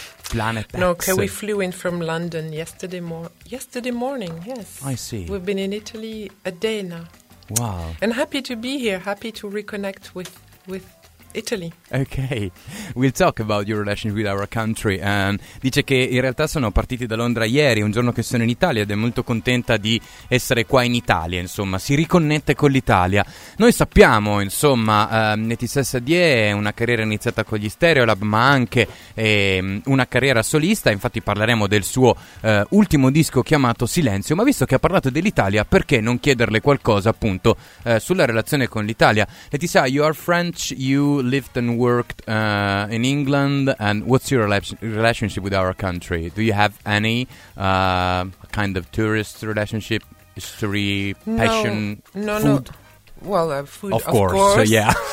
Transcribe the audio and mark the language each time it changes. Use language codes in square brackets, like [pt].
[en] Planet X? No, okay, we flew in from London yesterday morning, yes. I see. We've been in Italy a day now. Wow. And happy to be here, happy to reconnect with Italy. Okay, we'll talk about your relationship with our country. [it] Dice che in realtà sono partiti da Londra ieri, un giorno che sono in Italia ed è molto contenta di essere qua in Italia, insomma, si riconnette con l'Italia. Noi sappiamo, insomma, Letizia Sadie è una carriera iniziata con gli Stereolab, ma anche una carriera solista, infatti parleremo del suo ultimo disco chiamato Silenzio, ma visto che ha parlato dell'Italia, perché non chiederle qualcosa appunto sulla relazione con l'Italia? [en] Letizia, you are French, you lived and worked in England, and what's your relationship with our country? Do you have any kind of tourist relationship, history, passion, food? Well, food, of course. Yeah.